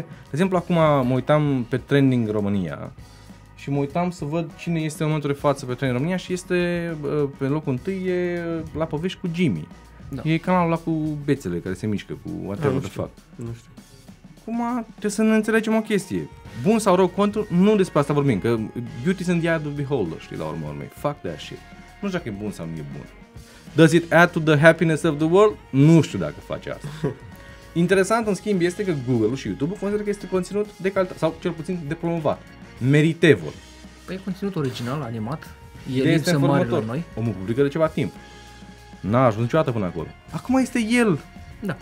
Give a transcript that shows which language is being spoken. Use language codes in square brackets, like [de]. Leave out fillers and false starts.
[ro] De exemplu, acum mă uitam pe Trending România și mă uitam să văd cine este în momentul de față pe Trending România și este pe locul întâi e La Povești cu Jimmy. Da. E canalul ăla cu bețele care se mișcă cu whatever [en] the fuck. [ro] Nu știu. Acum trebuie să ne înțelegem o chestie. Bun sau rău contul, nu despre asta vorbim, că [en] beauty is in the eye of the beholder, [ro] știi, la urmă urmei. [en] Fuck that shit. [ro] Nu știu dacă e bun sau nu e bun. [en] Does it add to the happiness of the world? [ro] Nu știu dacă face asta. Interesant, în schimb, este că Google-ul și YouTube-ul consideră că este conținut de calitate, sau cel puțin de promovat. Meritevol. Păi e conținut original, animat, e lipsă marilor noi. Omul publică de ceva timp. N-a ajuns niciodată până acolo. Acum este el. Da.